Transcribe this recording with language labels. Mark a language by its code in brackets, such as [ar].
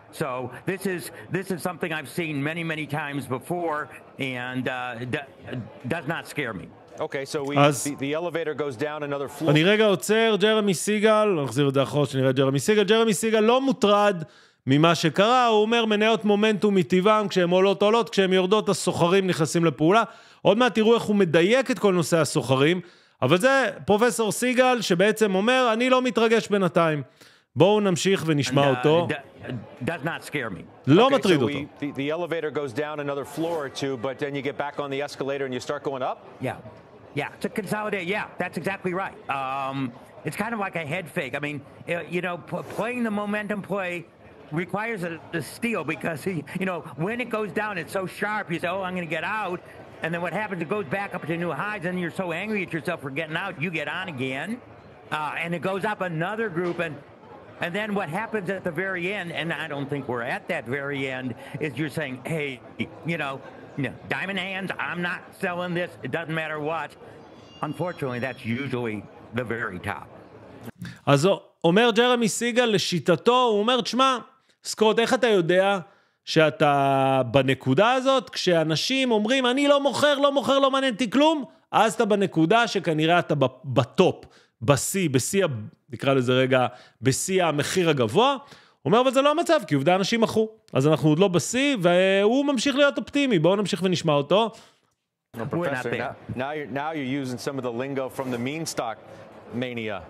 [en] So this is something I've seen many, many times before, and does not scare me. Okay, so the elevator goes down another floor. [he] אני רגע עוצר, ג'רמי סיגל, נחזיר את זה אחרות שנראה ג'רמי סיגל. ג'רמי סיגל לא מוטרד ממה שקרה, הוא אומר מניות מומנטום מטבעם, כשהן עולות, כשהן יורדות, הסוחרים נכנסים לפעולה. עוד מעט תראו איך הוא מדייק את כל נושא הסוחרים, אבל זה פרופסור סיגל שבעצם אומר, אני לא מתרגש בינתיים. בואו נמשיך ונשמע אותו. [en] Does not scare me. [he] לא מטריד אותו. [en] The elevator goes down another floor or two, but then you get back on the escalator and you start going up? Yeah. Yeah, it's a consolidate. Yeah, that's exactly right. It's kind of like a head fake. I mean, you know, playing the momentum play requires a steal because, you know, when it goes down, it's so sharp. You say, oh, I'm going to get out. And then what happens, it goes back up to new highs and you're so angry at yourself for getting out, you get on again. And it goes up another group and then what happens at the very end, and I don't think we're at that very end, is you're saying, hey, you know, diamond hands, I'm not selling this, it doesn't matter what. Unfortunately, that's usually the very top. [he] אז אומר ג'רמי סיגל לשיטתו, הוא אומר, תשמע, סקוט, איך אתה יודע שאתה בנקודה הזאת, כשאנשים אומרים, אני לא מוכר, לא מוכר, לא מעניין אותי כלום, אז אתה בנקודה שכנראה אתה בטופ. בשיא, נקרא לזה רגע, בשיא המחיר הגבוה, אומר, אבל זה לא המצב, כי עובדה אנשים מחו, אז אנחנו עוד לא בשיא, והוא ממשיך להיות אופטימי, בואו נמשיך ונשמע אותו. [en] Professor, now you're using some of the lingo from the meme stock mania.